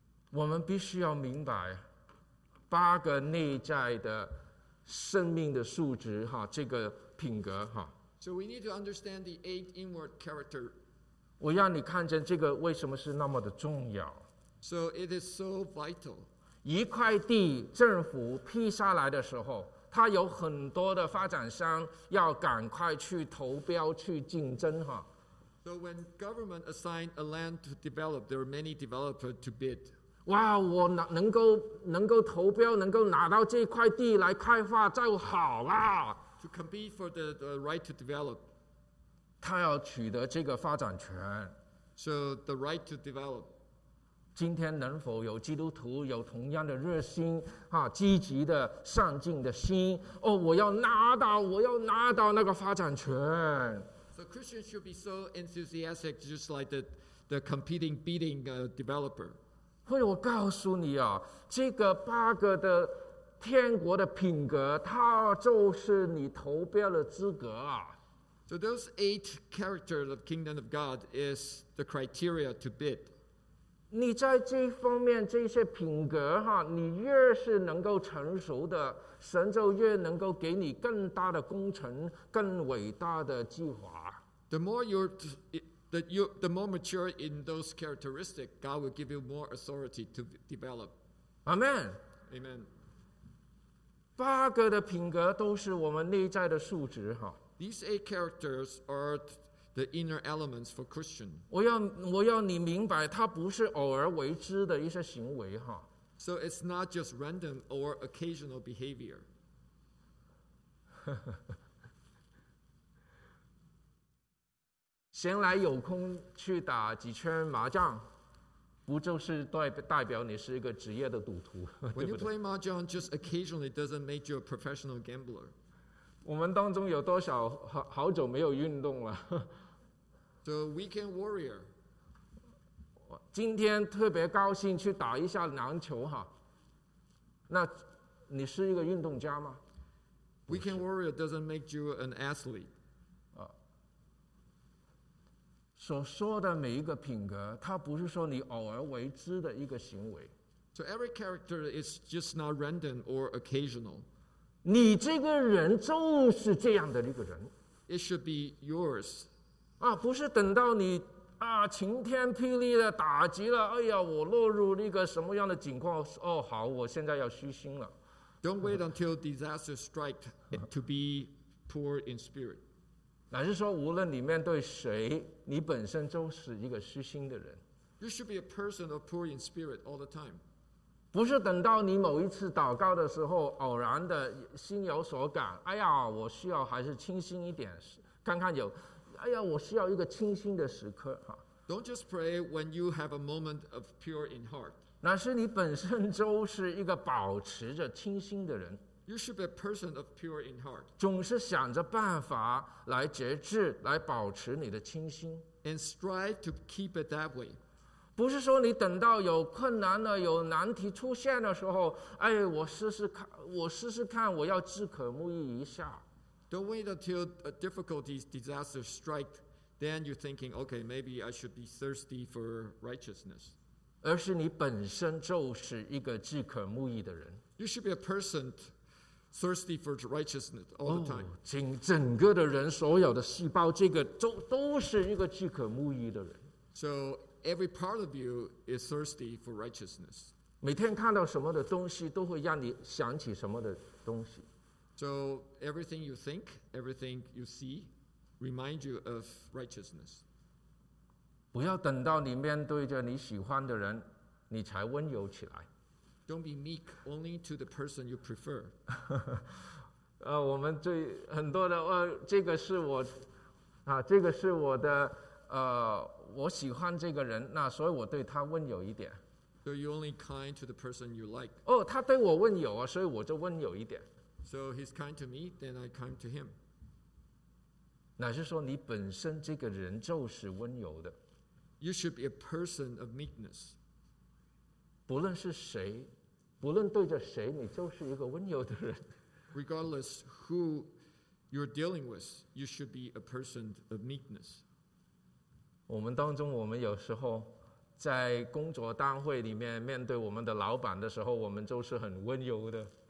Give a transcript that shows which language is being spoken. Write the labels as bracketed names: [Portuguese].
[Chinese] 我们必须要明白八个内在的生命的素质，这个品格。 [English] So we need to understand the eight inward character. [Chinese] 我让你看见这个为什么是那么的重要。 [English] So it is so vital. [Chinese] 一块地政府批下来的时候，它有很多的发展商要赶快去投标去竞争。 [English] So when government assigned a land to develop, there are many developers to bid. [Chinese] 哇，我能够投标，能够拿到这块地来开发就好啦。 [English] To compete for the right to develop. [Chinese] 他要取得这个发展权。 [English] So the right to develop. [Chinese] 今天能否有基督徒有同样的热心、积极的上进的心、哦、我要拿到那个发展权。 [English] So Christians should be so enthusiastic just like the competing bidding developer. [Chinese] 会我告诉你啊，这个八个的天国的品格，它就是你投标的资格啊。 [English] So those eight characters of kingdom of God is the criteria to bid. [Chinese] 你在这方面这些品格，你越是能够成熟的，神就越能够给你更大的工程，更伟大的计划。 [English] The more the more mature in those characteristics, God will give you more authority to develop. Amen. Amen. [Chinese] 八个的品格都是我们内在的素质。 [English] These eight characters areThe inner elements for Christian. [Chinese] 我要你明白，它不是偶尔为之的一些行为哈。 [English] So it's not just random or occasional behavior. [Chinese] 闲来有空去打几圈麻将，不就是代表你是一个职业的赌徒？ [English] When you play mahjong just occasionally, doesn't make you a professional gambler. [Chinese] 我们当中有多少好久没有运动了？ [English] The weekend warrior. [Chinese] 今天特别高兴去打一下篮球哈。那你是一个运动家吗？ [English] Weekend warrior doesn't make you an athlete. [Chinese] 所说的每一个品格，它不是说你偶尔为之的一个行为。 [English] So every character is just not random or occasional. [Chinese] 你这个人就是这样的一个人。 [English] It should be yours. [Chinese] 不是等到你晴天霹雳的打击了，哎呀，我落入那个什么样的情况？哦，好，我现在要虚心了。 [English] Don't wait until disaster strikes to be poor in spirit. [Chinese] 乃是说，无论你面对谁，你本身就是一个虚心的人。 [English] You should be a person of poor in spirit all the time. [Chinese] 不是等到你某一次祷告的时候，偶然的心有所感，哎呀，我需要还是清新一点，看看有。哎呀，我需要一个清新的时刻。 [English] Don't just pray when you have a moment of pure in heart. [Chinese] 那是你本身就是一个保持着清新的人。 [English] You should be a person of pure in heart. [Chinese] 总是想着办法来节制，来保持你的清新。 [English] And strive to keep it that way. [Chinese] 不是说你等到有困难了，有难题出现的时候，哎，我试试看，我要自可沐浴一下。 [English] Don't wait until a difficulty, disaster strike, then you're thinking, okay, maybe I should be thirsty for righteousness. [Chinese] 而是你本身就是一个饥渴慕义的人。 [English] You should be a person thirsty for righteousness all the time. [Chinese] 整个的人所有的细胞，这个都是一个饥渴慕义的人。 [English] So every part of you is thirsty for righteousness. [Chinese] 每天看到什么的东西，都会让你想起什么的东西。 [English] So everything you think, everything you see, reminds you of righteousness. [Chinese] 不要等到你面对着你喜欢的人，你才温柔起来。 [English] Don't be meek only to the person you prefer. [Chinese] 我们最很多的这个是我啊，这个是我的我喜欢这个人，那所以我对他温柔一点。 [English] So you're only kind to the person you like. [Chinese] 哦，他对我温柔啊，所以我就温柔一点。 [English] So he's kind to me, then I kind to him. [Chinese] 乃是说你本身这个人就是温柔的。 [English] You should be a person of meekness. [Chinese] 不论是谁，不论对着谁，你就是一个温柔的人。 [English] Regardless who you're dealing with, you should be a person of meekness. [Chinese] 我们当中，我们有时候在工作单位里面面对我们的老板的时候，我们都是很温柔的。